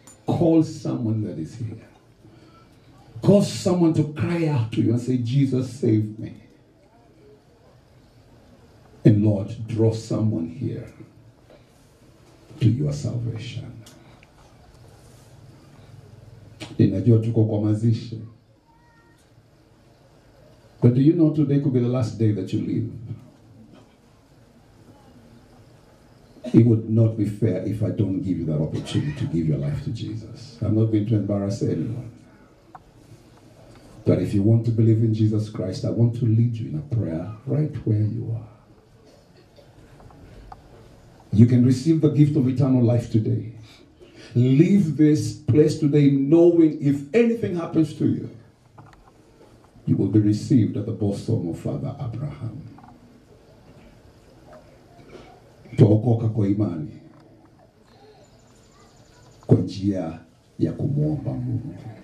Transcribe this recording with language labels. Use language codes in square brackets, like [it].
[en] Call someone that is here. Cause someone to cry out to you and say, Jesus, save me. And Lord, draw someone here to your salvation. [sw] Ninajua tuko kwa mazishi. [en] But do you know today could be the last day that you live? It would not be fair if I don't give you that opportunity to give your life to Jesus. I'm not going to embarrass anyone. But if you want to believe in Jesus Christ, I want to lead you in a prayer right where you are. You can receive the gift of eternal life today. Leave this place today knowing if anything happens to you, you will be received at the bosom of Father Abraham. [sw] Tuokoka kwa imani, kwa njia ya kumuomba Mungu.